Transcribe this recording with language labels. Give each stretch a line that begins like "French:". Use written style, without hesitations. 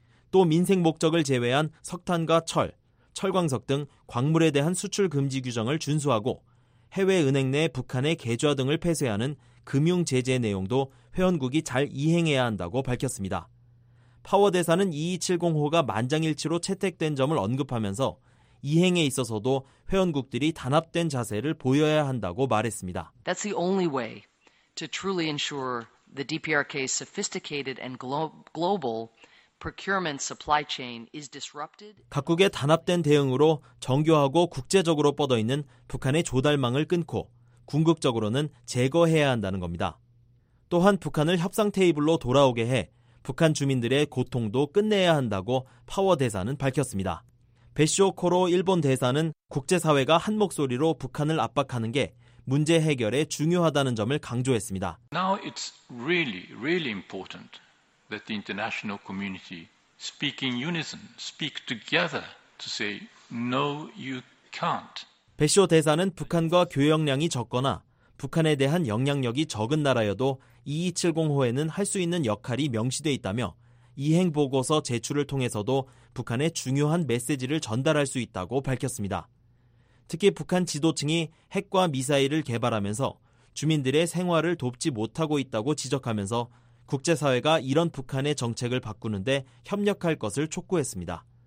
Korean: 또 민생 목적을 제외한 석탄과 철, 철광석 등 광물에 대한 수출 금지 규정을 준수하고 해외 은행 내 북한의 계좌 등을 폐쇄하는 금융 제재 내용도 회원국이 잘 이행해야 한다고 밝혔습니다. 파워 대사는 2270호가 만장일치로 채택된 점을 언급하면서 이행에 있어서도 회원국들이 단합된 자세를 보여야 한다고 말했습니다.
English: That's the only way to truly ensure the DPRK's sophisticated and global procurement supply chain is disrupted.
Korean: 각국의 단합된 대응으로 정교하고 국제적으로 뻗어 있는 북한의 조달망을 끊고 궁극적으로는 제거해야 한다는 겁니다. 또한 북한을 협상 테이블로 돌아오게 해 북한 주민들의 고통도 끝내야 한다고 파워 대사는 밝혔습니다. 베시오 코로 일본 대사는 국제사회가 한 목소리로 북한을 압박하는 게 문제 해결에 중요하다는 점을 강조했습니다.
English: Now it's really, really important that the international community speak in unison, speak together to say no, you can't.
Korean: 베시오 대사는 북한과 교역량이 적거나 북한에 대한 영향력이 적은 나라여도 2270호에는 할 수 있는 역할이 명시되어 있다며 이행 보고서 제출을 통해서도 북한에 중요한 메시지를 전달할 수 있다고 밝혔습니다. 특히 북한 지도층이 핵과 미사일을 개발하면서 주민들의 생활을 돕지 못하고 있다고 지적하면서 국제사회가 이런 북한의 정책을 바꾸는 데 협력할 것을 촉구했습니다.